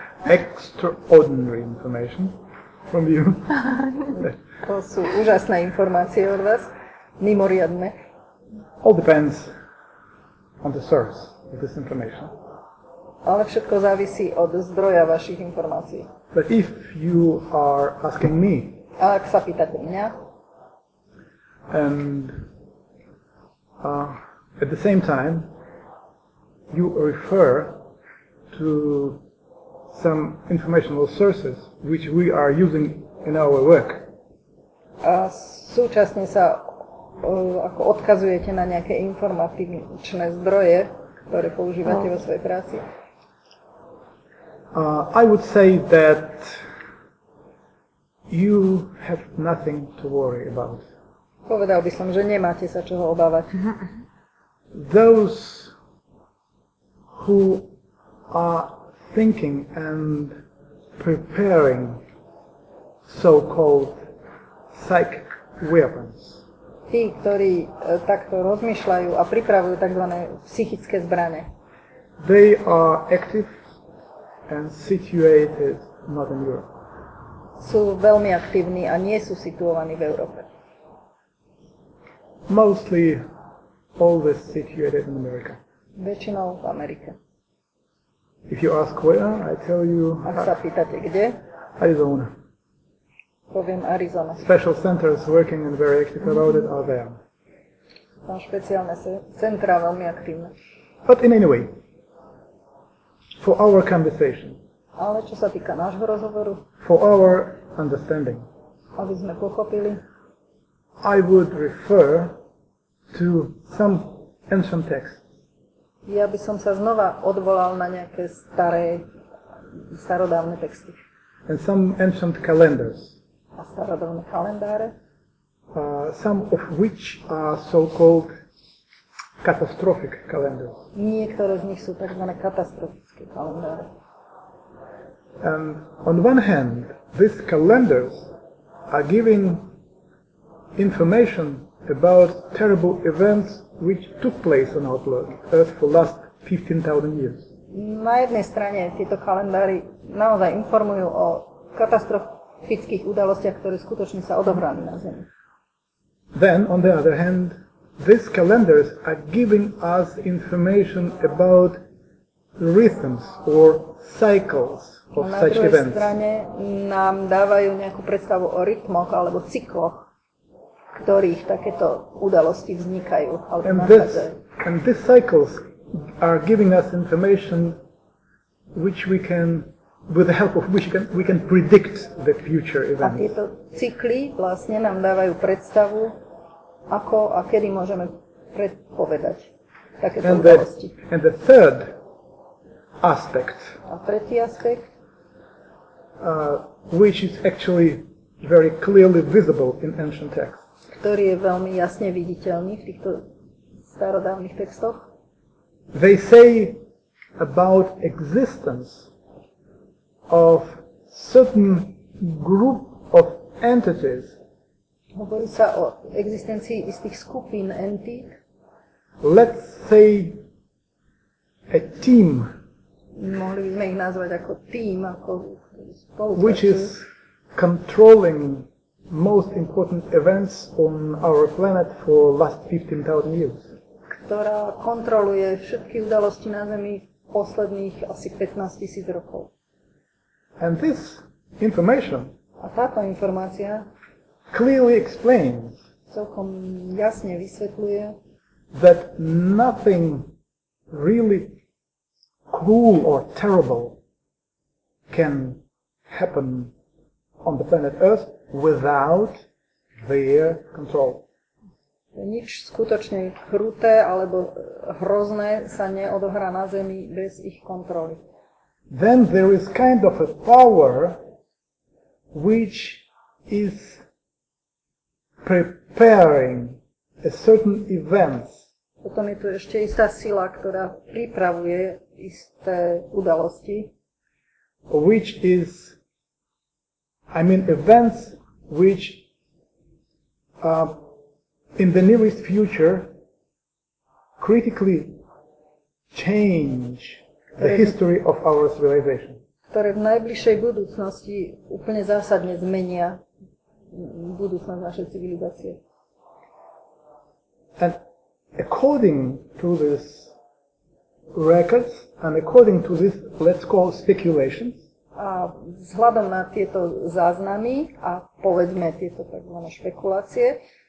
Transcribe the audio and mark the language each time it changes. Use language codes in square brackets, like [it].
[en] Extraordinary information from you. [cs] To jsou úžasné informace od vás, mimořádné. [en] All depends on the source of this information. [cs] Ale všechno závisí od zdroja vašich informací. [en] But if you are asking me, [sk] a ak sa pýtate mňa, [en] and at the same time you refer to some informational sources which we are using in our work. [cs] A současně se jako odkazujete na nějaké informativní zdroje, které používáte ve své práci. [en] I would say that you have nothing to worry about. [cs] Povedal bych, že nemáte se čeho obávat. [en] Those who are thinking and preparing so-called psychic weapons. [sk] Tí, ktorí takto rozmýšľajú a pripravujú takzvané psychické zbrane. [en] They are active and situated not in Europe. [sk] Sú veľmi aktívni a nie sú situovaní v Európe. [en] Mostly always situated in America. [sk] Väčšinou v Amerike. [en] If you ask where, I tell you. [sk] Ak sa pýtate kde? [en] Arizona. [sk] Poviem Arizona. [en] Special centers working and very active about it are there. [sk] Tam špeciálne centra veľmi aktívne. [en] But in any way, for our conversation. [sk] Ale čo sa týka nášho rozhovoru? [en] For our understanding. [sk] Aby sme pochopili. [en] I would refer to some ancient texts. [sk] Ja by som sa znova odvolal na nejaké staré, starodávne texty. [en] And some ancient calendars. [sk] A starodávne kalendáre. [en] Some of which are so-called catastrophic calendars. [sk] Niektoré z nich sú takzvané katastrofické kalendáre. [en] And on one hand, these calendars are giving information about terrible events which took place on our Earth for last 15,000 years. [sk] Na jednej strane tieto kalendári naozaj informujú o katastrofických udalostiach, ktoré skutočne sa odohrali na Zemi. [en] Then, on the other hand, these calendars are giving us information about rhythms or cycles of such events. [sk] Na druhej strane nám dávajú nejakú predstavu o rytmoch alebo cykloch, ktorých takéto udalosti vznikajú. [en] And these cycles are giving us information which we can, with the help of which we can predict the future events. [sk] A tieto cykly vlastne nám dávajú predstavu, ako a kedy môžeme predpovedať takéto udalosti. [en] And the third aspect. [sk] A tretí aspekt, [en] which is actually very clearly visible in ancient texts. [sk] Ktorý je veľmi jasne viditeľný v týchto starodávnych textoch. [en] They say about existence of certain group of entities. [sk] Hovorí sa o existencii istých skupín entít. [en] Let's say a team. [sk] Mohli by sme ich nazvať ako tým, ako spolupráci. [en] Which is controlling most important events on our planet for last 15,000 years. [sk] Ktorá kontroluje všetky udalosti na Zemi posledných asi 15,000 rokov. [en] And this information. [sk] A táto informácia [en] clearly explains. [sk] Celkom jasne vysvetľuje, [en] that nothing really cruel or terrible can happen on the planet Earth without their control. [sk] Nič skutočne kruté alebo hrozné sa neodohrá na Zemi bez ich kontroly. [en] Then there is kind of a power which is preparing a certain events. [sk] Potom je tu ešte istá sila, ktorá pripravuje isté udalosti. [en] Which is, I mean, events which in the nearest future critically change the history of our civilization. [sk] Ktoré v najbližšej budúcnosti úplne zásadne zmenia budúcnosť našej civilizácie. [en] And according to these records and according to this, let's call speculations, [sk] a vzhľadom na tieto záznamy a povedzme tieto takzvané špekulácie,